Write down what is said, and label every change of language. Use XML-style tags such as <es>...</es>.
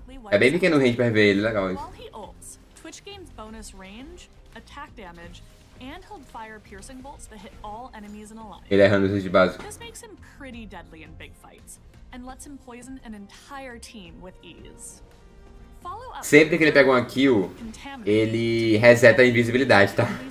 <pt>É bem pequeno o range pra ver ele, legal isso.</pt> <en>Twitch gains bonus range, attack damage, and hold fire piercing bolts that hit all enemies in a line.</en> <pt>Ele errando isso de básico.</pt> <en>This makes him pretty deadly in big fights, and lets him poison an entire team with ease.</en> <pt>Sempre que ele pega uma kill, ele reseta a invisibilidade, tá?</pt>